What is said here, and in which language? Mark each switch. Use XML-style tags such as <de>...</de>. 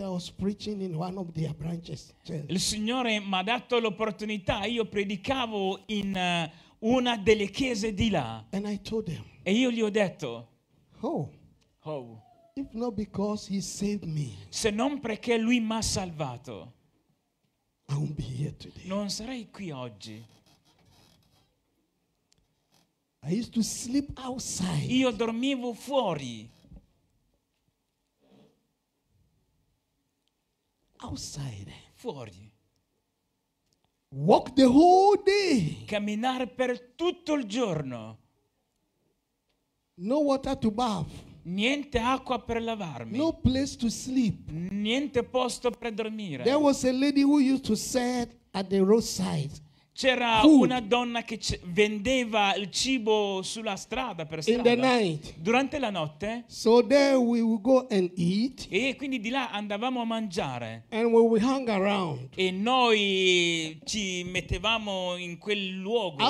<en>I was preaching in one of their branches.</en> <it>Il Signore mi ha dato l'opportunità. Io predicavo in una delle chiese di là.</it> <en>And I told them.</en> <it>E io gli ho detto.</it> <en>Oh. If not because He saved me.</en> <it>Se non perché Lui mi ha salvato.</it> <en>I won't be here today.</en> <it>Non sarei qui oggi.</it> <en>I used to sleep outside.</en> <it>Io dormivo fuori.</it> <en>Outside.</en> <it>Fuori.</it> <en>Walk the whole day.</en> <it>Camminare per tutto il giorno.</it> <en>No water to bath.</en> <it>Niente acqua per lavarmi.</it> <en>No place to sleep.</en> <it>Niente posto per dormire.</it> <en>There was a lady who used to sit at the roadside.</en> <it>C'era una donna che vendeva il cibo sulla strada per strada.</it> <en>In the night.</en> <it>Durante la notte.</it> <en>So there we would go and eat.</en> <it>E quindi di là andavamo a mangiare.</it> <en>And we would hang around.</en> <it>E noi ci mettevamo in quel luogo.</it>